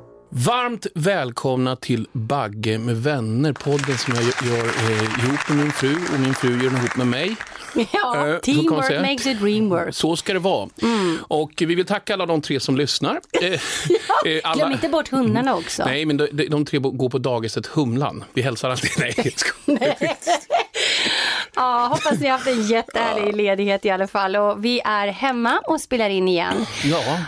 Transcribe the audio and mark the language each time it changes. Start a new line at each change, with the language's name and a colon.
Swedish: Varmt välkomna till Bagge med vänner, podden som jag gör ihop med min fru, och min fru gör den ihop med mig.
English: Ja, teamwork makes the dream work.
Swedish: Så ska det vara. Mm. Och vi vill tacka alla de tre som lyssnar. Alla... Glöm inte bort hundarna också. Nej, men de tre går på dagiset Humlan. Vi hälsar alltid. Nej, ja, hoppas ni har haft en jättehärlig ledighet i alla fall. Och vi är hemma och spelar in igen. Ja.